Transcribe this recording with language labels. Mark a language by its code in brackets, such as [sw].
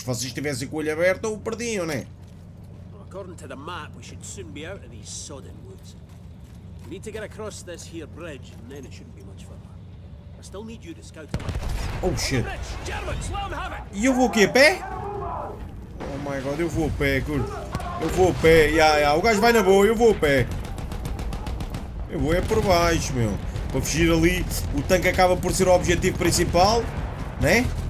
[pt] Se vocês estivessem com o olho aberto, ou perdiam, né? [en] According to the map, we should soon be out of these sodden woods. We need to get across this here bridge, and then it shouldn't be much further. I still need you to scout a light. Oh shit! [pt] E eu vou o quê? Pé? [en] Oh my god, [pt] eu vou a pé, curto. Eu vou a pé, o gajo vai na boa, eu vou a pé. Eu vou é por baixo, meu. Para fugir ali, o tanque acaba por ser o objetivo principal, né?